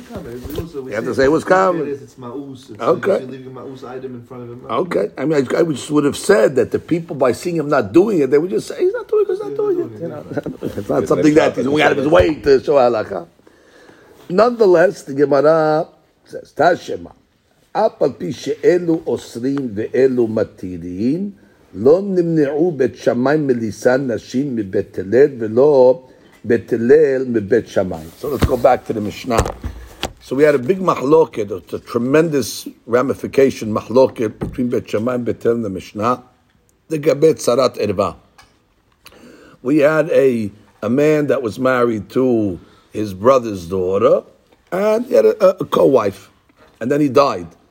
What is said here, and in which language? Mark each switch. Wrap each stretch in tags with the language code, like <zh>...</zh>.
<en>Ma'us. Okay. Okay. I mean, I just would have said that the people, by seeing him not doing it, they would just say, he's not doing it, he's not doing it. It's not something that he's going out of his way to show halakha. Nonetheless, the Gemara says, Tashema,</en> <he>אף על פי שאלו אוסרים ואלו מתירים, לא נמנעו בית שמיים מליסה נשים מבית הלל, ולא בית הלל מבית שמיים.</he> <en>So let's go back to the Mishnah. So we had a big machloket, a tremendous ramification machloket between Bet Shammai and Bet Hillel in the Mishnah, the Gabet Tzarat Erva. We had a man that was married to his brother's daughter, and he had a co-wife, and then he died.</en>